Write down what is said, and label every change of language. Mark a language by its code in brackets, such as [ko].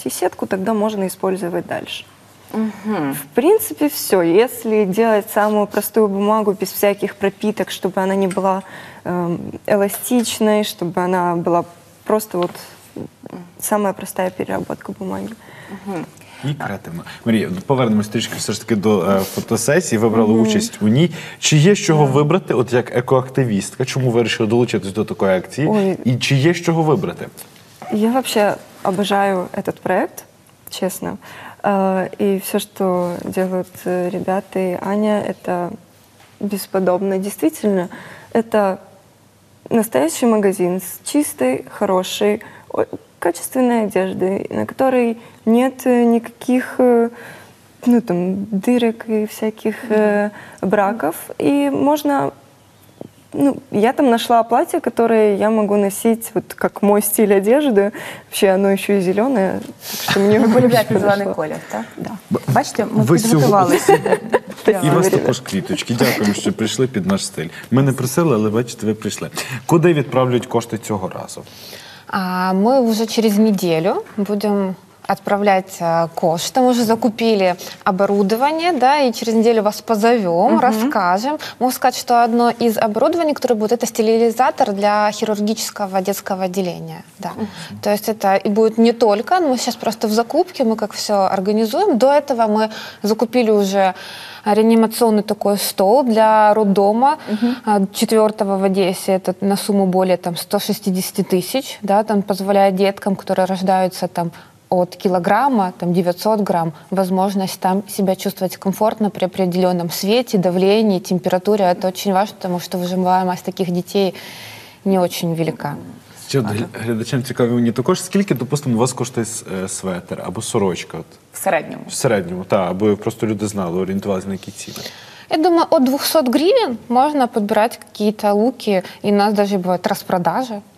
[ru] И сетку тогда можно использовать дальше. Угу. В принципе, все. Если делать самую простую бумагу без всяких пропиток, чтобы она не была эластичной, чтобы она была просто вот самая простая переработка бумаги. Угу. [uk] І креативно. Марія, повернемось трішки все ж таки до фотосесії, вибрала участь у ній. Чи є з чого вибрати, от як екоактивістка, чому вирішила долучитись до такої акції? Ой. І чи є з чого вибрати? Я взагалі обожаю цей проєкт, чесно. І все, що роблять ребята і Аня, це безподобно. Дійсно, це [ru] настоящий магазин з чистой, хорошей, качественной одежды, на которой нет никаких, ну, там, дырок и всяких браков. И можно, ну, я там нашла платье, которое я могу носить, вот как мой стиль одежды. Вообще оно еще и зеленое, так что мне вообще не зеленый [uk] колер, так? [ru] Да. [uk] Бачите, [ru] мы подготовилися. [uk] І вас також квіточки. Дякую, що прийшли під наш стиль. Ми не просили, але бачите, ви прийшли. Куди відправлять кошти цього разу? [ru] Мы уже через неделю будем отправлять кошты. Мы уже закупили оборудование, да, и через неделю вас позовем, расскажем. Могу сказать, что одно из оборудований, которое будет, это стерилизатор для хирургического детского отделения. Да. То есть это и будет не только, но мы сейчас просто в закупке, мы как все организуем. До этого мы закупили уже реанимационный такой стол для роддома 4-го в Одессе, это на сумму более там 160 тысяч, да, там позволяет деткам, которые рождаются там от килограмма, там 900 грамм, возможность там себя чувствовать комфортно при определенном свете, давлении, температуре, это очень важно, потому что выжимаемость таких детей не очень велика. [uk] Що глядачам цікаво, мені також, скільки, допустимо, у вас коштує светер або сорочка? От? В середньому. В середньому, так, аби просто люди знали, орієнтувалися на які ціни. Я думаю, от 200 гривень можна підбирати якісь луки, і у нас навіть бувають розпродажі.